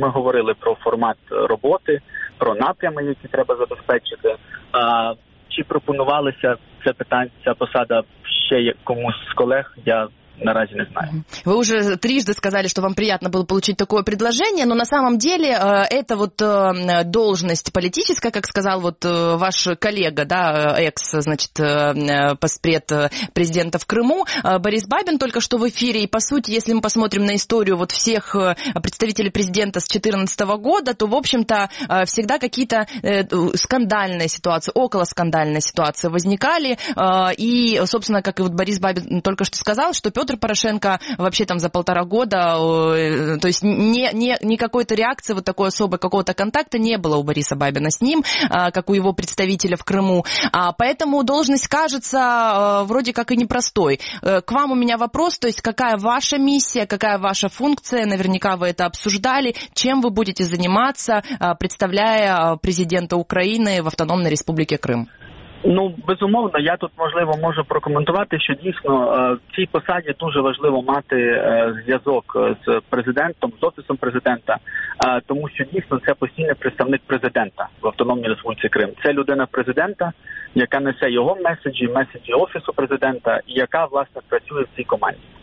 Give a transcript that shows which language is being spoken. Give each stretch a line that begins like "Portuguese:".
Ukrainian: Ми говорили про формат роботи, про напрями, які треба забезпечити. Чи пропонувалася це питання, ця посада ще комусь з колег, я наразі не знаю.
Russian: Вы уже трижды сказали, что вам приятно было получить такое предложение, но на самом деле это вот должность политическая, как сказал вот ваш коллега, да, экс, значит, постпред президента в Крыму, Борис Бабин, только что в эфире, и по сути, если мы посмотрим на историю вот всех представителей президента с 14 года, то, в общем-то, всегда какие-то скандальные ситуации, околоскандальные ситуации возникали, и, собственно, как и вот Борис Бабин только что сказал, что Петр Порошенко вообще там за полтора года, то есть не какой-то реакции, вот такой особой, какого-то контакта не было у Бориса Бабина с ним, как у его представителя в Крыму. Поэтому должность кажется вроде как и непростой. К вам у меня вопрос, то есть какая ваша миссия, какая ваша функция, наверняка вы это обсуждали, чем вы будете заниматься, представляя президента Украины в Автономной Республике Крым?
Ukrainian: Ну, безумовно, я тут, можливо, можу прокоментувати, що дійсно в цій посаді дуже важливо мати зв'язок з президентом, з офісом президента, тому що дійсно це постійний представник президента в Автономній Республіці Крим. Це людина президента, яка несе його меседжі, меседжі офісу президента, і яка, власне, працює в цій команді.